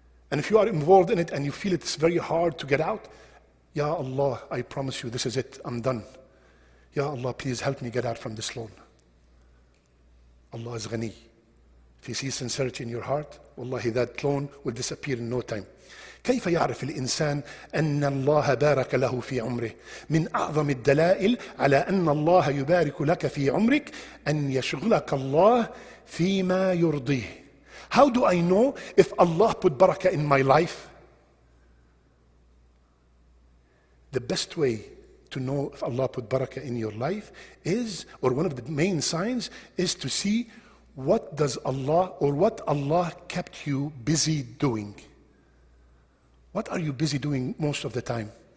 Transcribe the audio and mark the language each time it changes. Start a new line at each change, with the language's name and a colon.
English: And if you are involved in it and you feel it's very hard to get out, Ya Allah, I promise you this is it. I'm done. Ya Allah, please help me get out from this loan. Allah is ghani. If you see sincerity in your heart, wallahi, that loan will disappear in no time.
Arabic: كيف يعرف الإنسان أن الله بارك له في عمره؟ من أعظم الدلائل على أن الله يبارك لك في عمرك أن يشغلك الله فيما يرضيه.
English: How do I know if Allah put barakah in my life? The best way to know if Allah put barakah in your life is, or one of the main signs is to see what does Allah, or what Allah kept you busy doing. What are you busy doing most of the time?